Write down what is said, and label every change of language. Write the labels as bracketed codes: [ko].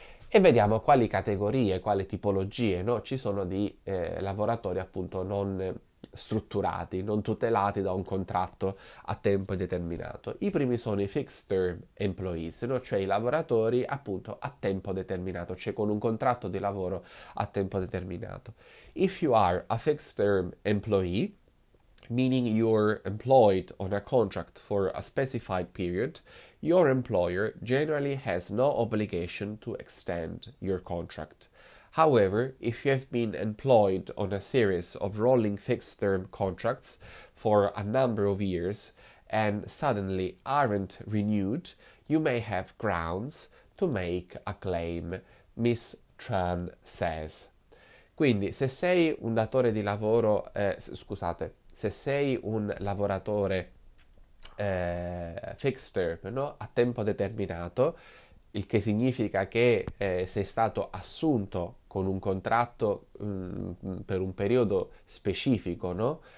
[it] E vediamo quali categorie, quali tipologie, no? Ci sono di lavoratori appunto non strutturati, non tutelati da un contratto a tempo determinato. I primi sono i fixed term employees, no? Cioè i lavoratori appunto a tempo determinato, cioè con un contratto di lavoro a tempo determinato. [en] If you are a fixed term employee, meaning you're employed on a contract for a specified period, your employer generally has no obligation to extend your contract. However, if you have been employed on a series of rolling fixed-term contracts for a number of years and suddenly aren't renewed, you may have grounds to make a claim, Ms. Tran says. [it] Quindi, se sei un datore di lavoro, scusate. Se sei un lavoratore fixed term, no? A tempo determinato, il che significa che sei stato assunto con un contratto per un periodo specifico, no?